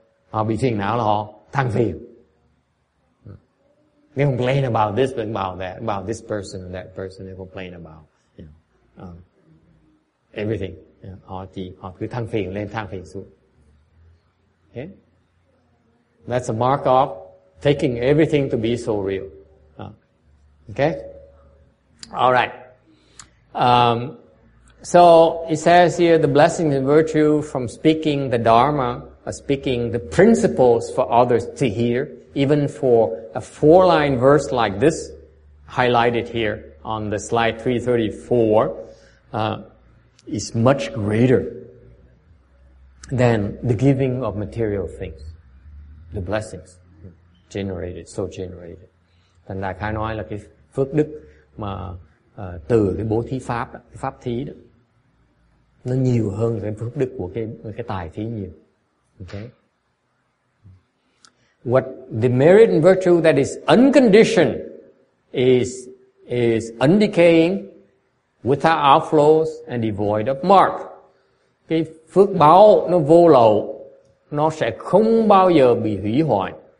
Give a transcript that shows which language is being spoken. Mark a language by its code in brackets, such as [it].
[vi] Họ bị phiền não là họ than phiền. [en] They complain about this, about that, about this person, that person. They complain about everything. [vi] Họ cứ than phiền lên, than phiền xuống. [en] Okay? That's a mark of taking everything to be so real. Okay? Alright. So it says here, the blessing and virtue from speaking the Dharma, speaking the principles for others to hear, even for a four-line verse like this, highlighted here on the slide 334, is much greater than the giving of material things, the blessings generated. [vi] Thành Đại Khai nói là cái phước đức mà từ cái bố thí pháp đó, cái pháp thí đó, nó nhiều hơn cái phước đức của cái tài thí nhiều. [en] Okay. What the merit and virtue that is unconditioned is undecaying, without outflows and devoid of mark. [vi] Cái phước báo nó vô lậu, nó sẽ không bao giờ bị hủy hoại.